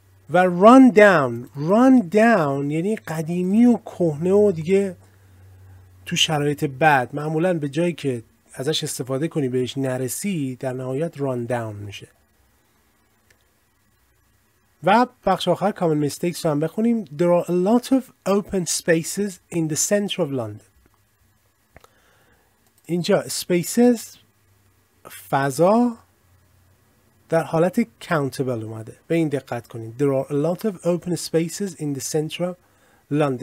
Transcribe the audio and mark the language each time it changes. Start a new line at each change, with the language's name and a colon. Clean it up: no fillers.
Persian: و
English: run down
Persian: یعنی قدیمی و کهنه و دیگه تو شرایط بد، معمولا به جایی که ازش استفاده کنی بهش نرسی، در نهایت run down میشه. و بخش آخر
English: common mistakes
Persian: رو هم بخونیم.
English: There are a lot of open spaces in the center of London.
Persian: اینجا spaces، فضا، در حالت countable اومده. به این دقت کنید.
English: There are a lot of open spaces in the center of London.